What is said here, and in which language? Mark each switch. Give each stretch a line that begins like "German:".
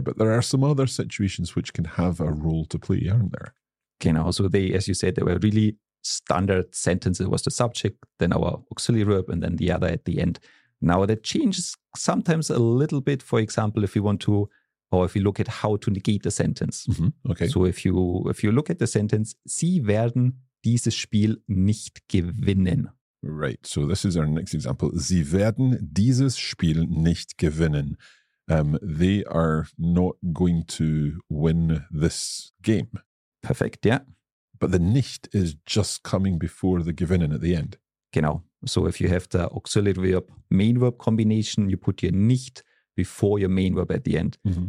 English: But there are some other situations which can have a role to play, aren't there?
German: Genau,
English: so they, as you said, they were really standard sentences. It was the subject, then our auxiliary verb, and then the other at the end. Now that changes sometimes a little bit, for example, if you want to, or if you look at how to negate the sentence. Mm-hmm. Okay. So if you look at the sentence,
German: sie werden dieses Spiel nicht gewinnen.
English: Right, so this is our next example.
German: Sie werden dieses Spiel nicht gewinnen.
English: They are not going to win this game. Perfect, yeah. But the nicht is just coming before the gewinnen at the end.
German: Genau.
English: So if you have the auxiliary verb, main verb combination, you put your nicht before your main verb at the end. Mm-hmm.